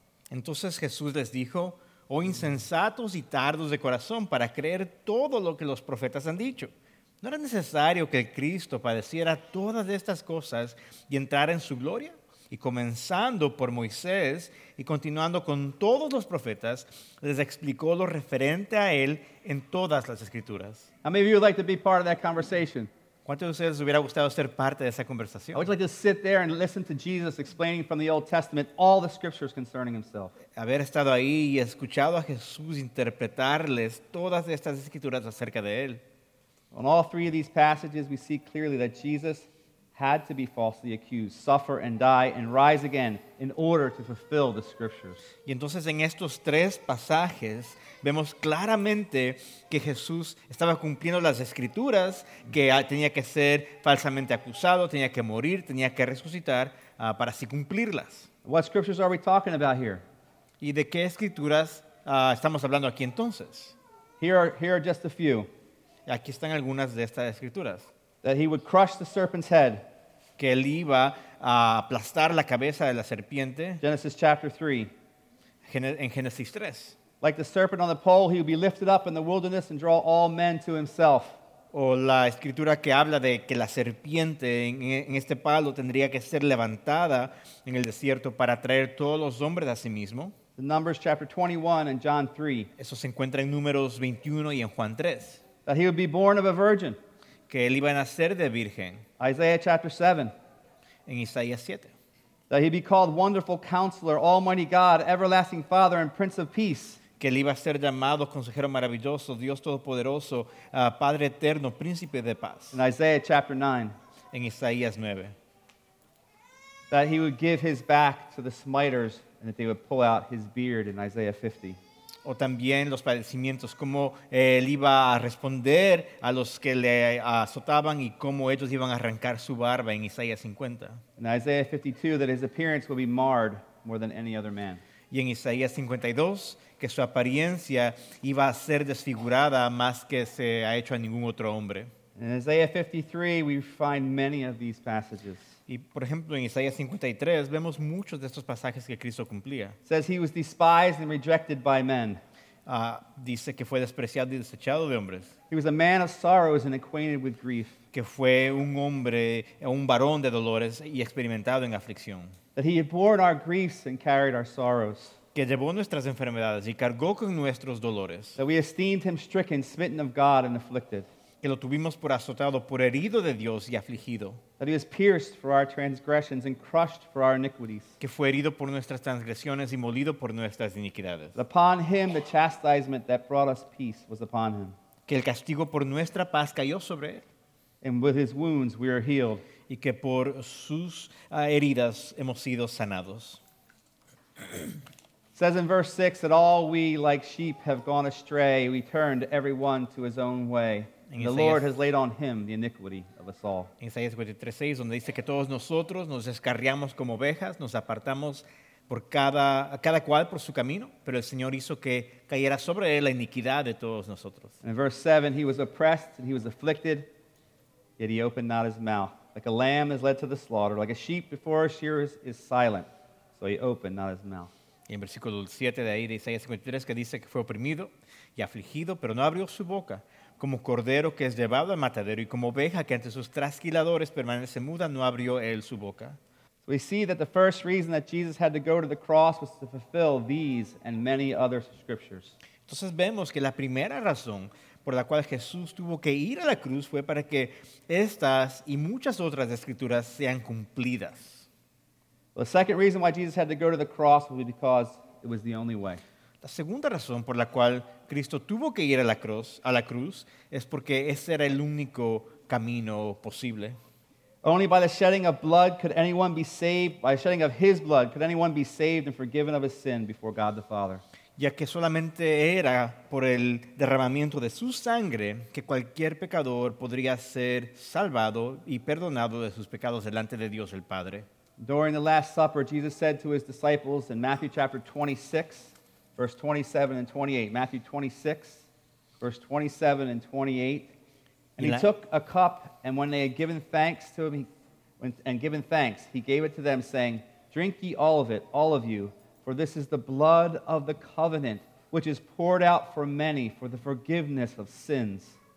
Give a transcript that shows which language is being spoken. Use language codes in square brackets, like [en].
[es] Entonces Jesús les dijo, oh insensatos y tardos de corazón para creer todo lo que los profetas han dicho. ¿No era necesario que el Cristo padeciera todas estas cosas y entrara en su gloria? Y comenzando por Moisés y continuando con todos los profetas, les explicó lo referente a él en todas las escrituras. [en] How many of you would like to be part of that conversation? [es] ¿Cuántos de ustedes hubiera gustado ser parte de esa conversación? [en] I would like to sit there and listen to Jesus explaining from the Old Testament all the scriptures concerning himself. [es] Haber estado ahí y escuchado a Jesús interpretarles todas estas escrituras acerca de él. [en] On all three of these passages, we see clearly that Jesus had to be falsely accused, suffer and die and rise again in order to fulfill the scriptures. [es] Y entonces en estos tres pasajes vemos claramente que Jesús estaba cumpliendo las escrituras, que tenía que ser falsamente acusado, tenía que morir, tenía que resucitar para así cumplirlas. [en] What scriptures are we talking about here? [es] ¿Y de qué escrituras estamos hablando aquí entonces? [en] Here are just a few. [es] Aquí están algunas de estas escrituras. [en] That he would crush the serpent's head. [es] Que él iba a aplastar la cabeza de la serpiente. [en] Genesis chapter 3. [es] En Génesis 3. [en] Like the serpent on the pole, he would be lifted up in the wilderness and draw all men to himself. [es] O la escritura que habla de que la serpiente en este palo tendría que ser levantada en el desierto para atraer todos los hombres a sí mismo. [en] The Numbers chapter 21 and John 3. [es] Eso se encuentra en Números 21 y en Juan 3. [en] That he would be born of a virgin. [es] Que él iba a nacer de virgen. [en] Isaiah chapter 7. [es] En Isaías 7. [en] That he'd be called Wonderful Counselor, Almighty God, Everlasting Father, and Prince of Peace. [es] Que él iba a ser llamado Consejero Maravilloso, Dios Todopoderoso, Padre Eterno, Príncipe de Paz. [en] In Isaiah chapter 9. [es] En Isaías 9. [en] That he would give his back to the smiters and that they would pull out his beard in Isaiah 50. [es] O también los padecimientos, cómo él iba a responder a los que le azotaban y cómo ellos iban a arrancar su barba en Isaías 50. [en] In Isaiah 52, that his appearance would be marred more than any other man. [es] Y en Isaías 52, que su apariencia iba a ser desfigurada más que se ha hecho a ningún otro hombre. [en] In Isaiah 53, we find many of these passages. [es] Y por ejemplo en Isaías 53 vemos muchos de estos pasajes que Cristo cumplía. [en] Says he was despised and rejected by men. [es] Dice que fue despreciado y desechado de hombres. [en] He was a man of sorrows and acquainted with grief. [es] Que fue un hombre, un varón de dolores y experimentado en aflicción. [en] That he had borne our griefs and carried our sorrows. [es] Que llevó nuestras enfermedades y cargó con nuestros dolores. [en] That we esteemed him stricken, smitten of God and afflicted. [es] Que lo tuvimos por azotado, por herido de Dios y afligido. [en] That he was pierced for our transgressions and crushed for our iniquities. [es] Que fue herido por nuestras transgresiones y molido por nuestras iniquidades. [en] Upon him the chastisement that brought us peace was upon him. [es] Que el castigo por nuestra paz cayó sobre él. [en] And with his wounds we are healed. [es] Y que por sus heridas hemos sido sanados. [en] Says in verse 6 that all we like sheep have gone astray. We turned every one to his own way. And the Lord has laid on him the iniquity of us all. [es] En Isaías 53:6, donde dice que todos nosotros nos descarriamos como ovejas, nos apartamos por cada cual por su camino, pero el Señor hizo que cayera sobre él la iniquidad de todos nosotros. [en] In verse 7, he was oppressed and he was afflicted, yet he opened not his mouth. Like a lamb is led to the slaughter, like a sheep before his shearers is silent, so he opened not his mouth. [es] Y en versículo 7 de ahí de Isaías 53, que dice que fue oprimido y afligido, pero no abrió su boca. Como cordero que es llevado al matadero y como oveja que ante sus trasquiladores permanece muda, no abrió él su boca. [en] So we see that the first reason that Jesus had to go to the cross was to fulfill these and many other scriptures. [es] Entonces vemos que la primera razón por la cual Jesús tuvo que ir a la cruz fue para que estas y muchas otras escrituras sean cumplidas. [en] The second reason why Jesus had to go to the cross was because it was the only way. [es] La segunda razón por la cual Cristo tuvo que ir a la cruz es porque ese era el único camino posible. [en] Only by the shedding of blood could anyone be saved, by the shedding of his blood could anyone be saved and forgiven of his sin before God the Father. [es] Ya que solamente era por el derramamiento de su sangre que cualquier pecador podría ser salvado y perdonado de sus pecados delante de Dios el Padre. [en] During the Last Supper, Jesus said to his disciples in Matthew chapter 26, verse 27 and 28. Matthew 26, verse 27 and 28. And he took a cup, and when they had given thanks to him, he gave it to them, saying, "Drink ye all of it, all of you, for this is the blood of the covenant, which is poured out for many for the forgiveness of sins."